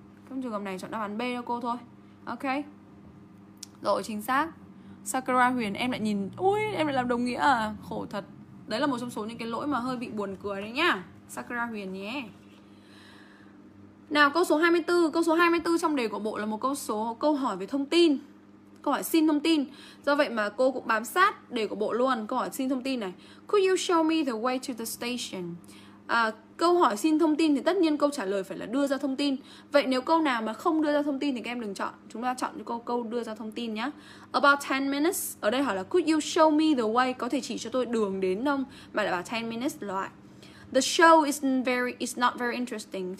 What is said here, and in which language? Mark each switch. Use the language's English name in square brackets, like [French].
[Vietnamese] Trong trường hợp này chọn đáp án B cho cô thôi. Ok, rồi chính xác. Sakura Huyền, em lại nhìn, ui em lại làm đồng nghĩa à? Khổ thật. Đấy là một trong số những cái lỗi mà hơi bị buồn cười đấy nhá, Sakura Huyền nhé. Nào câu số 24, câu số 24 trong đề của bộ là một câu số câu hỏi về thông tin. Câu hỏi xin thông tin. Do vậy mà cô cũng bám sát đề của bộ luôn, câu hỏi xin thông tin này. [English] Could you show me the way to the station? [Vietnamese] À, câu hỏi xin thông tin thì tất nhiên câu trả lời phải là đưa ra thông tin. Vậy nếu câu nào mà không đưa ra thông tin thì các em đừng chọn. Chúng ta chọn cho câu đưa ra thông tin nhé. [English] About 10 minutes. [Vietnamese] Ở đây hỏi là [English] could you show me the way, [Vietnamese] có thể chỉ cho tôi đường đến không? Mà lại bảo [English] 10 minutes loại. The show is not very interesting.